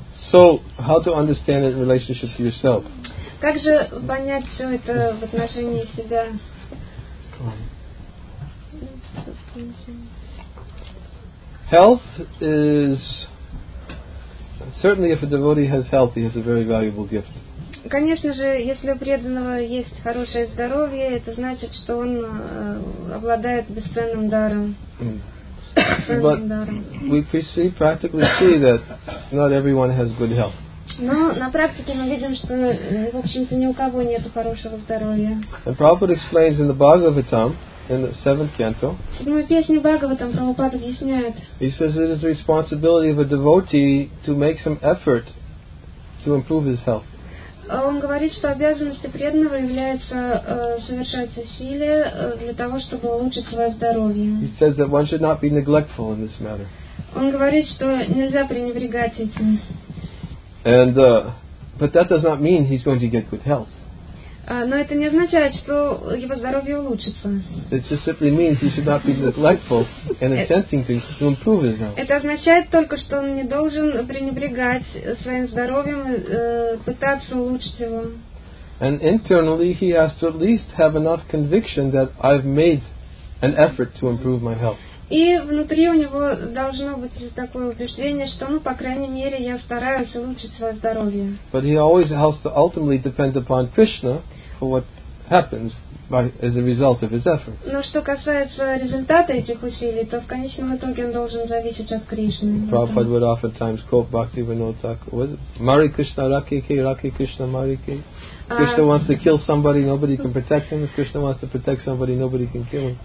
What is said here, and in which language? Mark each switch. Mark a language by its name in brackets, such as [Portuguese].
[English] So, how to understand it in relationship to yourself? [Russian] Как же понять все это в отношении себя? [English] Health is certainly, if a devotee has health, he has a very valuable gift. [Russian] Конечно же, если у преданного есть хорошее здоровье, это значит, что он обладает бесценным даром. [English] But we see, practically see that not everyone has good health. [Russian] Но на практике мы видим, что в общем-то ни у кого нет хорошего здоровья. [English] And Prabhupada explains in the Bhagavatam, in the seventh canto. [Russian] Седьмую песню Бхагаватам Прабхупада объясняет. [English] He says it is the responsibility of a devotee to make some effort to improve his health. [Russian] Он говорит, что обязанность преданного является совершать усилия для того, чтобы улучшить свое здоровье. [English] He says that one should not be neglectful in this matter. [Russian] Он говорит, что нельзя пренебрегать этим. [English] And but that does not mean he's going to get good health. [Russian] Но это не означает, что его здоровье улучшится. [English] It just simply means he should not be neglectful in attempting to improve his health. [Russian] Это означает только, что он не должен пренебрегать своим здоровьем, пытаться улучшить его. [English] And internally he has to at least have enough conviction that I've made an effort to improve my health. [Russian] И внутри у него должно быть такое убеждение, что, ну, по крайней мере, я стараюсь улучшить свое здоровье. [English] But he always has to ultimately depend upon Krishna for what happens by, as a result of his efforts. [Russian] Но что касается результата этих усилий, то в конечном итоге он должен зависеть от Кришны. [English] Prabhupada would oftentimes quote Bhakti Vinod Thakur. Was it? [Bangla] Mari Krishna Rakhi Ke, Rakhi Krishna Mari Ke. [English] Krishna wants to kill somebody, nobody can protect him. If Krishna wants to protect somebody, nobody can kill him.